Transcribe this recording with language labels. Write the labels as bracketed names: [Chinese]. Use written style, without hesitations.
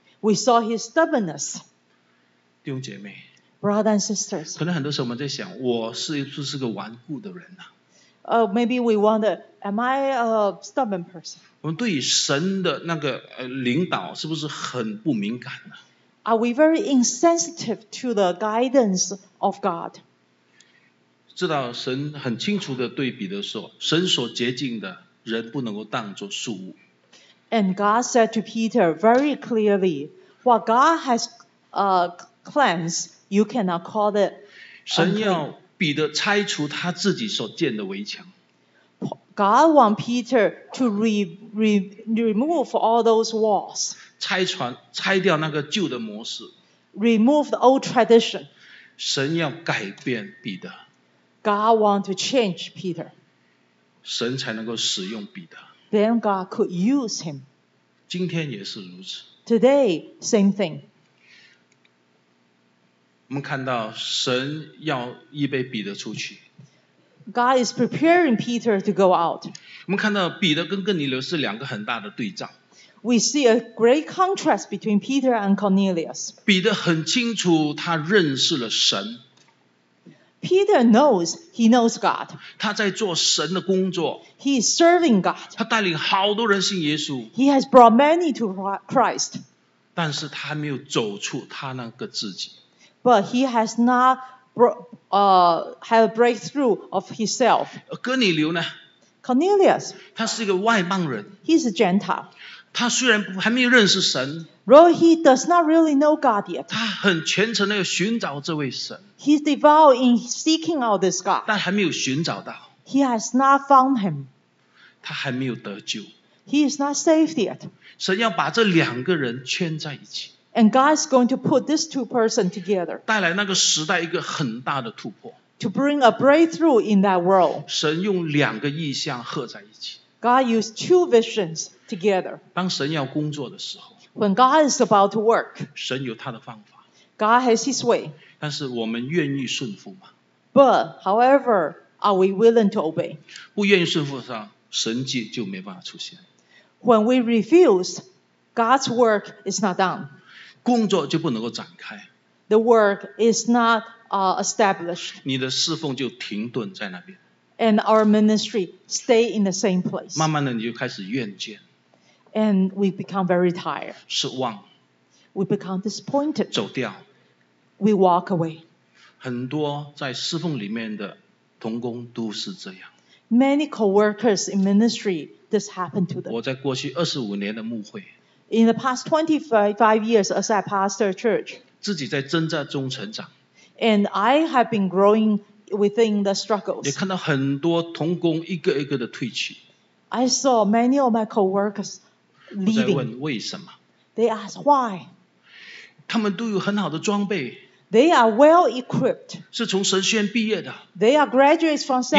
[English] We saw his stubbornness。 [Chinese] 弟兄姐妹 [English] ，Brothers and sisters， [Chinese] 可能很多时候我们在想，我是不是个顽固的人呢？ [English] Maybe we wonder, am I a stubborn person? [Chinese] 我们对于神的那个领导是不是很不敏感呢？ [English] Are we very insensitive to the guidance of God? [Chinese] 知道神很清楚地对彼得说，神所洁净的人不能够当作俗物。 [English] And God said to Peter very clearly, what God has cleansed, you cannot call it unclean. [Chinese] 神要彼得拆除他自己所建的围墙。 [English] God want Peter to remove all those walls. [Chinese] 拆掉那个旧的模式。 [English] Remove the old tradition. [Chinese] 神要改变彼得。 [English] God want to change Peter. [Chinese] 神才能够使用彼得。 [English] Then God could use him. [Chinese] 今天也是如此。 [English] Today, same thing. [Chinese] 我们看到神要预备彼得出去。 [English] God is preparing Peter to go out. [Chinese] 我们看到彼得跟哥尼流是两个很大的对照。 [English] We see a great contrast between Peter and Cornelius. [Chinese] 彼得很清楚他认识了神。 [English] Peter knows he knows God. [Chinese] 他在做神的工作。 [English] He is serving God. [Chinese] 他带领好多人信耶稣。 [English] He has brought many to Christ. [Chinese] 但是他没有走出他那个自己。 [English] But he has not had a breakthrough of himself. [Chinese] 哥尼流呢 [English] ？Cornelius， [Chinese] 他是一个外邦人。 [English] He's a Gentile. [Chinese] 他虽然还没有认识神 [English] ，though he does not really know God yet. [Chinese] 他很虔诚的寻找这位神。 [English] He's devout in seeking out this God. [Chinese] 但还没有寻找到。 [English] He has not found him. [Chinese] 他还没有得救。 [English] He is not saved yet. [Chinese] 神要把这两个人圈在一起。 [English] And God is going to put these two persons together. [Chinese] 带来那个时代一个很大的突破。 [English] To bring a breakthrough in that world. [Chinese] 神用两个意象合在一起。 [English] God used two visions together. [Chinese] 当神要工作的时候。 [English] When God is about to work. [Chinese] 神有他的方法。 [English] God has his way. [Chinese] 但是我们愿意顺服吗？ [English] But, however, are we willing to obey? [Chinese] 不愿意顺服上，神迹就没办法出现。 [English] When we refuse, God's work is not done. [Chinese] 工作就不能够展开。 [English] The work is not established. [Chinese] 你的侍奉就停顿在那边。 [English] And our ministry stay in the same place. [Chinese] 慢慢的你就开始厌倦。 [English] And we become very tired. [Chinese] 失望。 [English] We become disappointed. [Chinese] 走掉。 [English] We walk away. [Chinese] 很多在侍奉里面的同工都是这样。 [English] Many co-workers in ministry, this happened to them. [Chinese] 我在过去25年的牧会。 [English] In the past 25 years as I pastor church, [Chinese] 自己在挣扎中成长 [English] and I have been growing within the struggles. [Chinese] 也看到很多同工一个一个的退去 [English] I saw many of my co-workers leaving. [Chinese] 我在问为什么 [English] They asked why. [Chinese] 他们都有很好的装备。 [English] They are well equipped. [Chinese] 是从神学院毕业的。 [English] They are graduates from seminary.